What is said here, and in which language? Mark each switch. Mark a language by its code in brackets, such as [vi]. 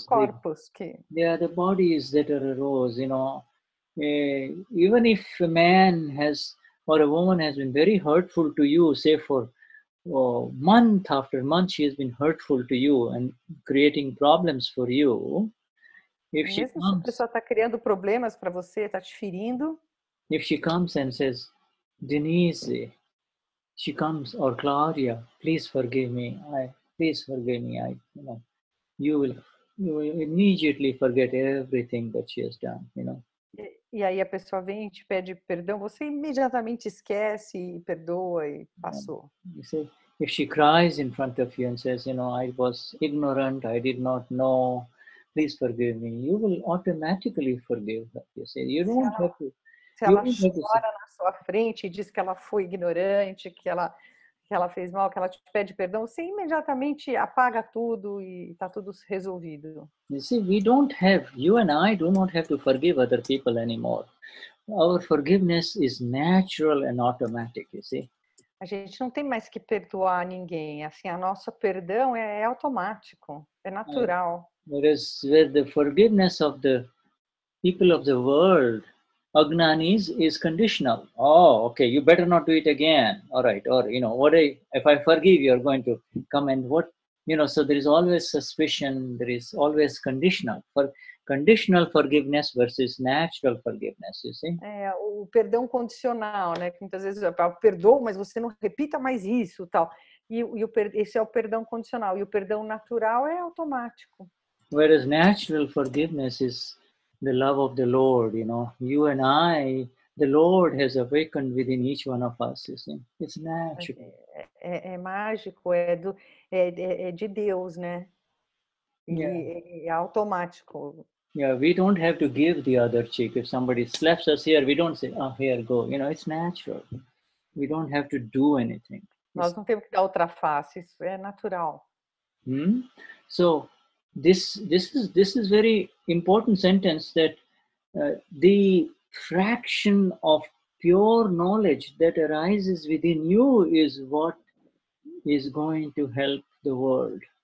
[pt] São corpos que. [en] Yeah, the bodies that arose. You know. Even if a man has or a woman has been very hurtful to you, say for month after month she has been hurtful to you and creating problems for you. If she [pt] mesmo comes, se a pessoa está criando problemas para você, está te ferindo. [en] If she comes and says, Denise, she comes, or Claudia, please forgive me. You will immediately forget everything that she has done, you know. [pt] E aí a pessoa vem e te pede perdão, você imediatamente esquece e perdoa e passou. [en] You see, if she cries in front of you and says, you know, I was ignorant, I did not know, please forgive me, you will automatically forgive her. You see, you don't have to. [pt] Se ela chora na sua frente e diz que ela foi ignorante, que ela fez mal, que ela te pede perdão, você imediatamente apaga tudo e está tudo resolvido. [en] You see, we don't have, you and I do not have to forgive other people anymore. Our forgiveness is natural and automatic, you see. [pt] A gente não tem mais que perdoar ninguém. Assim, a nossa perdão é automático, é natural. [en] Whereas with the forgiveness of the people of the world, Agnanis is conditional. Oh, okay, you better not do it again. All right, or, you know, if I forgive you, you're going to come and what? You know, so there is always suspicion, there is always conditional. For conditional forgiveness versus natural forgiveness, you see? [pt] É, o perdão condicional, né? Que muitas vezes eu perdoo, mas você não repita mais isso, tal. Esse é o perdão condicional. E o perdão natural é automático. [en] Whereas natural forgiveness is the love of the Lord, you know, you and I, the Lord has awakened within each one of us, you see. It's natural. [pt] É mágico, de Deus, né? É automático. [en] Yeah, we don't have to give the other cheek. If somebody slaps us here, we don't say, oh, here, go. You know, it's natural. We don't have to do anything. [pt] Nós não temos que dar outra face, isso é natural. [en] So, This is very important sentence that the fraction of pure knowledge that arises within you is what is going to help the world.